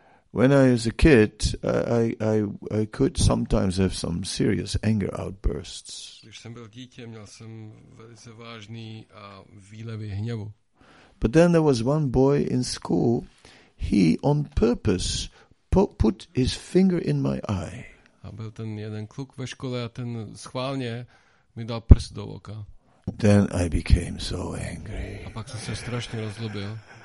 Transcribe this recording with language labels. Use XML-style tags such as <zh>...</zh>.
<en>When I was a kid, I could sometimes have some serious anger outbursts.</en> <cs>Když jsem byl dítě, měl jsem velice vážný a výlevy hněvu.</cs> <en>But then there was one boy in school. He on purpose put his finger in my eye.</en> <cs>A byl ten jeden kluk ve škole a ten schválně mi dal prst do oka.</cs> <en>Then I became so angry.</en> <cs>A pak jsem se strašně rozlobil.</cs>